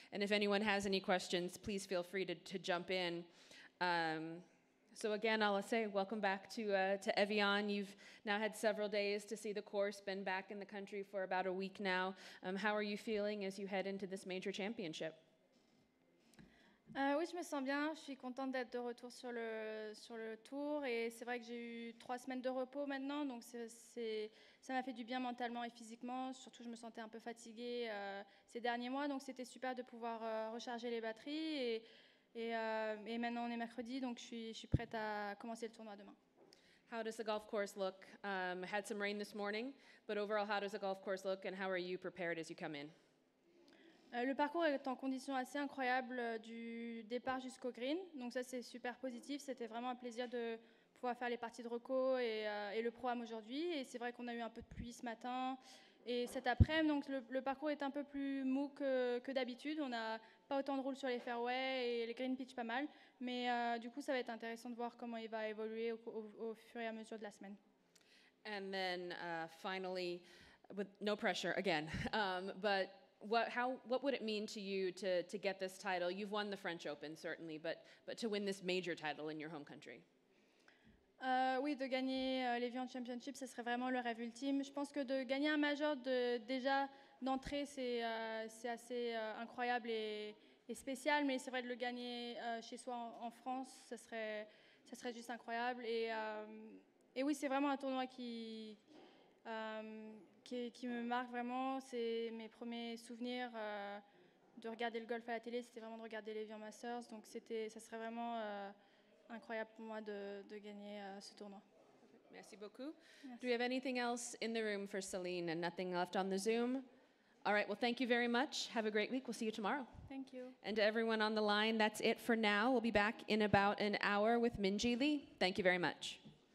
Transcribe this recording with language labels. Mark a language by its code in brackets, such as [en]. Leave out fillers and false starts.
[en] And if anyone has any questions, please feel free to jump in. So again, I'll say welcome back to Evian. You've now had several days to see the course, been back in the country for about a week now. How are you feeling as you head into this major championship? [fr] Oui, je me sens bien. Je suis contente d'être de retour sur le tour. Et c'est vrai que j'ai eu 3 semaines de repos maintenant, donc ça m'a fait du bien mentalement et physiquement. Surtout, je me sentais un peu fatiguée ces derniers mois, donc c'était super de pouvoir recharger les batteries. Et maintenant, on est mercredi, donc je suis prête à commencer le tournoi demain. [en] How does the golf course look? Had some rain this morning, but overall, how does the golf course look and how are you prepared as you come in? [fr] Le parcours est en condition assez incroyable du départ jusqu'au green, donc ça c'est super positif, c'était vraiment un plaisir de pouvoir faire les parties de reco et le programme aujourd'hui, et c'est vrai qu'on a eu un peu de pluie ce matin et cet après-midi, donc le parcours est un peu plus mou que d'habitude, on n'a pas autant de roule sur les fairways et les green pitch pas mal, mais du coup ça va être intéressant de voir comment il va évoluer au fur et à mesure de la semaine. [en] And then finally, with no pressure again, but What would it mean to you to get this title? You've won the French Open, certainly, but to win this major title in your home country? [fr] Oui, de gagner l'Evian Championship, ce serait vraiment le rêve ultime. Je pense que de gagner un major déjà d'entrée, c'est assez incroyable et spécial, mais c'est vrai de le gagner chez soi en France, ça serait juste incroyable. Et oui, c'est vraiment un tournoi qui me marque vraiment, c'est mes premiers souvenirs de regarder le golf à la télé, c'était vraiment de regarder les Evian Masters, donc ça serait vraiment incroyable pour moi de gagner ce tournoi. Merci beaucoup. Merci. [en] Do we have anything else in the room for Celine and nothing left on the Zoom? All right, well, thank you very much. Have a great week. We'll see you tomorrow. Thank you. And to everyone on the line, that's it for now. We'll be back in about an hour with Minji Lee. Thank you very much.